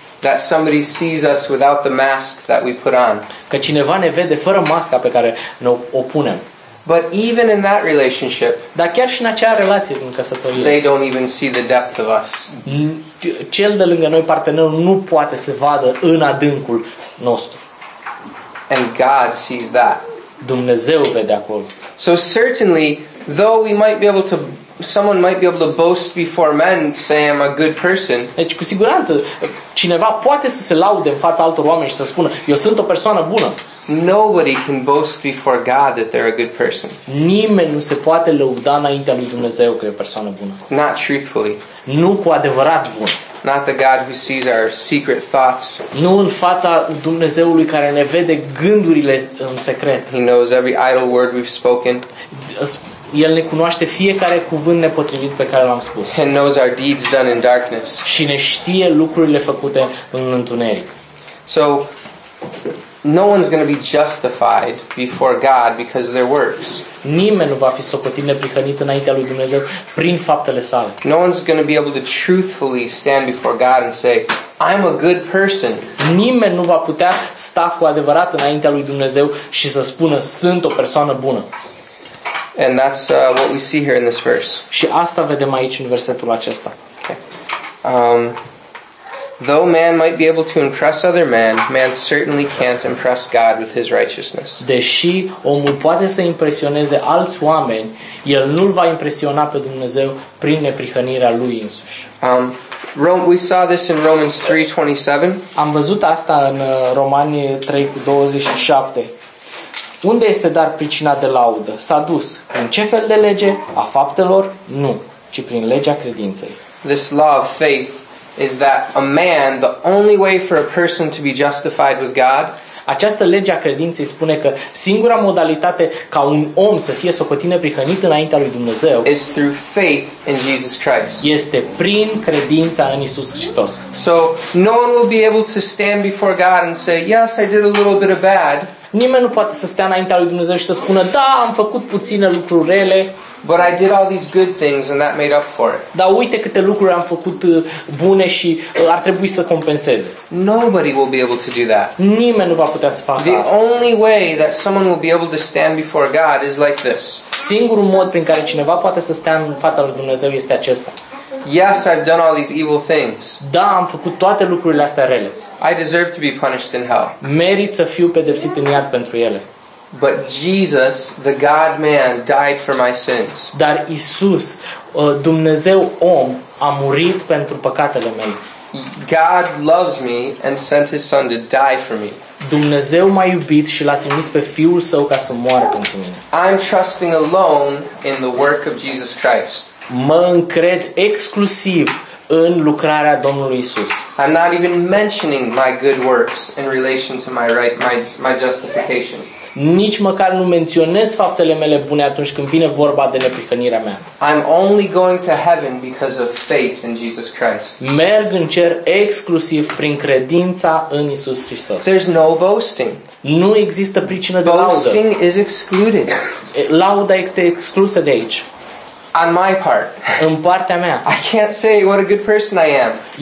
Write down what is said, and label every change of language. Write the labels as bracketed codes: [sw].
[en] That somebody sees us without the mask that we put on. [ro] Că cineva ne vede fără masca pe care ne o punem. [en] But even in that relationship, [ro] dar chiar și în acea relație din căsătorie, [en] they don't even see the depth of us. [ro] Cel de lângă noi, partenerul, nu poate să vadă în adâncul nostru. [en] And God sees that. [ro] Dumnezeu vede acolo. [en] So certainly, though we might be able to, someone might be able to boast before men, say I'm a good person. [ro] Deci cu siguranță cineva poate să se laude în fața altor oameni și să spună eu sunt o persoană bună. [en] Nobody can boast before God that they're a good person. [ro] Nimeni nu se poate lăuda înaintea lui Dumnezeu că e o persoană bună. [en] Not truthfully. [ro] Nu cu adevărat bun. [en] Not the God who sees our secret thoughts. [ro] Nu în fața Dumnezeului care ne vede gândurile în secret. [en] He knows every idle word we've spoken. [ro] El ne cunoaște fiecare cuvânt nepotrivit pe care l-am spus. [en] He knows our deeds done in darkness. [ro] Și ne știe lucrurile făcute în întuneric. [en] So no one's going to be justified before God because of their works. [ro] Nimeni nu va fi socotit neprihănit înaintea lui Dumnezeu prin faptele sale. [en] No one's going to be able to truthfully stand before God and say, I'm a good person. [ro] Nimeni nu va putea sta cu adevărat înaintea lui Dumnezeu și să spună sunt o persoană bună. [en] And that's what we see here in this verse. [ro] Și asta vedem aici în versetul acesta. [en] Though man might be able to impress other men, man certainly can't impress God with his righteousness. [ro] Deși omul poate să impresioneze alți oameni, el nu-l va impresiona pe Dumnezeu prin neprihănirea lui însuși. [en] We saw this in Romans 3:27. [ro] Am văzut asta în Romanii 3:27. Unde este dar pricina de laudă? S-a dus. În ce fel de lege? A faptelor? Nu, ci prin legea credinței. [en] This law of faith is that a man, the only way for a person to be justified with God, [ro] această lege a credinței spune că singura modalitate ca un om să fie socotit neprihănit înaintea lui Dumnezeu [en] is through faith in Jesus Christ. [ro] Este prin credința în Iisus Hristos. [en] So no one will be able to stand before God and say, yes, I did a little bit of bad. [ro] Nimeni nu poate să stea înaintea lui Dumnezeu și să spună, da, am făcut puține lucruri rele. [en] But I did all these good things and that made up for it. [ro] Dar uite câte lucruri am făcut bune și ar trebui să compenseze. [en] Nobody will be able to do that. [ro] Nimeni nu va putea să facă asta. [en] The only way that someone will be able to stand before God is like this. [ro] Singurul mod prin care cineva poate să stea în fața lui Dumnezeu este acesta. [en] Yes, I've done all these evil things. [ro] Da, am făcut toate lucrurile astea rele. [en] I deserve to be punished in hell. [ro] Merit să fiu pedepsit în iad pentru ele. [en] But Jesus, the God-man, died for my sins. [ro] Dar Isus, Dumnezeu om, a murit pentru păcatele mele. [en] God loves me and sent his son to die for me. [ro] Dumnezeu m-a iubit și l-a trimis pe fiul său ca să moară pentru mine. [en] I'm trusting alone in the work of Jesus Christ. [ro] Mă încred exclusiv în lucrarea Domnului Isus. [en] I'm not even mentioning my good works in relation to my right, my justification. [ro] Nici măcar nu menționez faptele mele bune atunci când vine vorba de neprihănirea mea. [en] I'm only going to heaven because of faith in Jesus Christ. [ro] Merg în cer exclusiv prin credința în Isus Hristos. [en] There's no boasting. [ro] Nu există pricină de [en] boasting [ro] laudă. [en] Boasting is excluded. [ro] Lauda este exclusă de aici. [en] On my part. [ro] În partea mea. [en] I can't say what a good person I am.